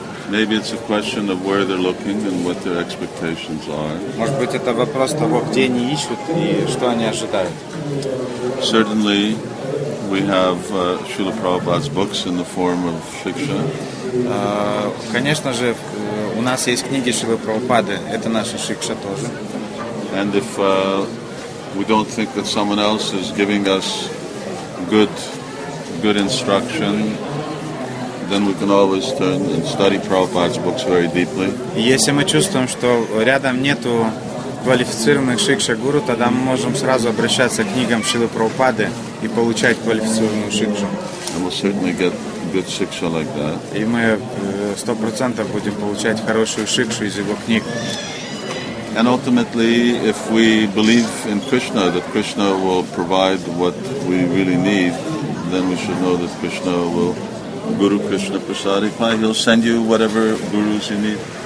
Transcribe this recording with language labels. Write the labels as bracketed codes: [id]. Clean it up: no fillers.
[en] Maybe it's a question of where they're looking and what their expectations are. [ru] Может быть, это вопрос того, где они ищут и что они ожидают. [en] Certainly, we have Srila Prabhupada's books in the form of Shiksha. [ru] Конечно же, у нас есть книги Шрилы Прабхупады. Это наша Шикша тоже. [en] And if we don't think that someone else is giving us good instruction, then we can always turn and study Prabhupada's books very deeply. [ru] Если мы чувствуем, что рядом нету квалифицированных шикша гуру, тогда мы можем сразу обращаться к книгам Шилы Прабхупады и получать квалифицированную шикшу. [en] And we'll certainly get good шикша like that. [ru] И мы 100% будем получать хорошую шикшу из его книг. [en] And ultimately, if we believe in Krishna, that Krishna will provide what we really need, then we should know that Krishna will Guru Krishna Prasad, he'll send you whatever gurus you need.